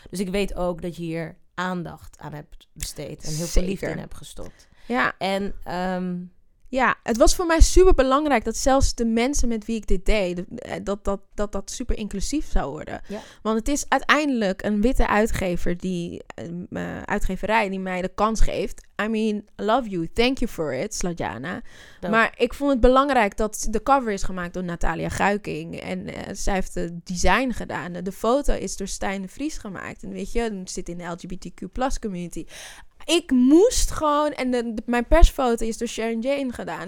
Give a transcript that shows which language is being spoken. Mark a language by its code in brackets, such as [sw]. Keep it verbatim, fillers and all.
[nl] Dus ik weet ook dat je hier aandacht aan hebt besteed en heel veel liefde in hebt gestopt. Ja. En... Um, Ja, het was voor mij super belangrijk dat zelfs de mensen met wie ik dit deed, dat dat, dat, dat super inclusief zou worden. Ja. Want het is uiteindelijk een witte uitgever die uh, uitgeverij die mij de kans geeft. [en] I mean, love you, thank you for it, Sladjana. [nl] Maar ik vond het belangrijk dat de cover is gemaakt door Natalia Guiking. En uh, zij heeft het design gedaan. De foto is door Stijn de Vries gemaakt. En weet je, het zit in de L G B T Q plus community. Ik moest gewoon... En de, de, mijn persfoto is door Sharon Jane gedaan.